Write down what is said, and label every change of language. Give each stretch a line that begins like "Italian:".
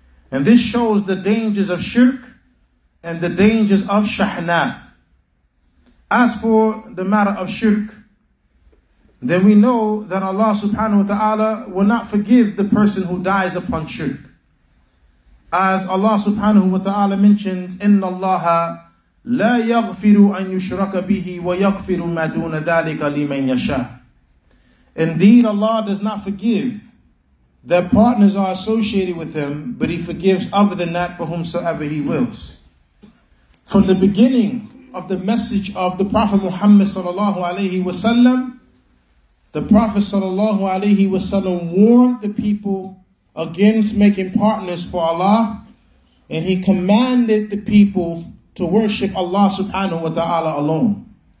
English: And this shows the dangers of shirk and the dangers of shahna. As for the matter of shirk, then we know that Allah subhanahu wa ta'ala will not forgive the person who dies upon shirk. As Allah subhanahu wa ta'ala mentions,
Arabic: إِنَّ اللَّهَ لَا يَغْفِرُ أَن يُشْرَكَ بِهِ وَيَغْفِرُ مَا دُونَ ذَلِكَ لِمَنْ يَشَاءُ.
English: Indeed, Allah does not forgive that partners are associated with Him, but He forgives other than that for whomsoever He wills. From the beginning of the message of the Prophet Muhammad sallallahu alaihi wasallam, the Prophet sallallahu alaihi wasallam warned the people against making partners for Allah, and he commanded the people to worship Allah subhanahu wa ta'ala alone.